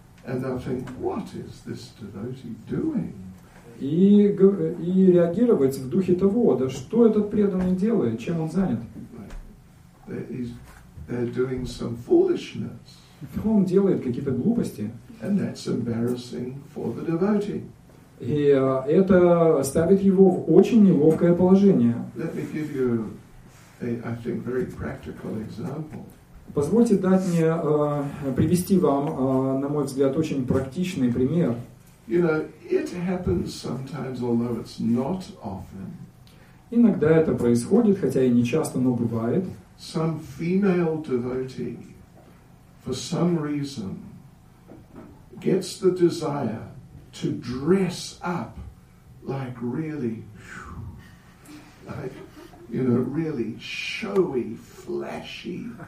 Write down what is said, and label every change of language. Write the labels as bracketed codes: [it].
[en] And they'll think, what is this devotee doing? [ru] И реагировать в духе того, да что этот преданный делает, чем он занят. [en] They're doing some foolishness. [ru] Он делает какие-то глупости. [en] And that's embarrassing for the devotee. [ru] И это ставит его в очень неловкое положение. [en] Let me give you a, I think, very practical example. [ru] Позвольте дать мне привести вам, на мой взгляд, очень практичный пример. [en] You know, it happens sometimes, although it's not often. [ru] Иногда это происходит, хотя и не часто, но бывает. [en] Some female devotee, for some reason, gets the desire to dress up like really, like, you know, really showy, flashy.